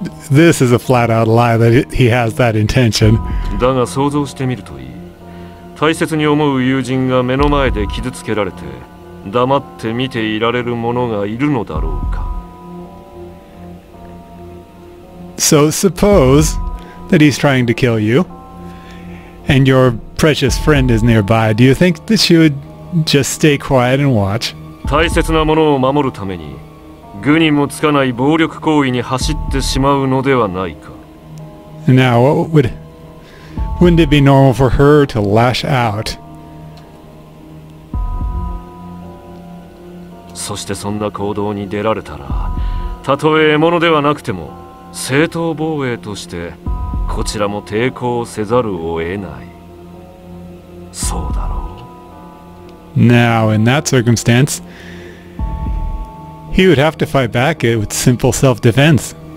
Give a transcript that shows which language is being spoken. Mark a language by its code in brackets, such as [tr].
[en] This is a flat-out lie that he has that intention. [ja] だが想像してみるといい。大切に思う友人が目の前で傷つけられて、黙って見ていられる者がいるのだろうか。 [en] So suppose that he's trying to kill you. And your precious friend is nearby. Do you think that she would just stay quiet and watch? [ja] 大切なものを守るために、愚にもつかない暴力行為に走ってしまうのではないか。 [en] Now, wouldn't it be normal for her to lash out? [ja] そしてそんな行動に出られたら、たとえ獲物ではなくても、正当防衛として、こちらも抵抗せざるを得ない。そうだろう。 [en] Now, in that circumstance, he would have to fight back it with simple self-defense.